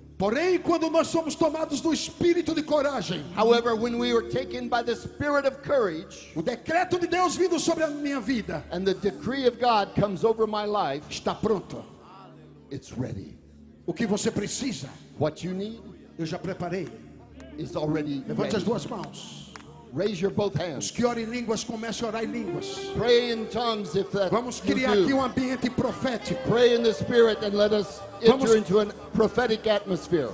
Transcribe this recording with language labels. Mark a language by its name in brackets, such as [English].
[Portuguese] Porém, quando nós somos tomados do espírito de coragem. [English] However, when we are taken by the spirit of courage. [Portuguese] O decreto de Deus vindo sobre a minha vida. [English] And the decree of God comes over my life. [Portuguese] Está pronto. [English] It's ready. [Portuguese] O que você precisa? [English] What you need? [Portuguese] Eu já preparei. [English] Is already ready. [Portuguese] Levante as duas mãos. [English] Raise your both hands. [Portuguese] Os que orem em línguas, comece a orar em línguas. [English] Pray in tongues if that. [Portuguese] Vamos criar [English] you [Portuguese] aqui um ambiente profético. [English] Pray in the spirit and let us enter into a prophetic atmosphere.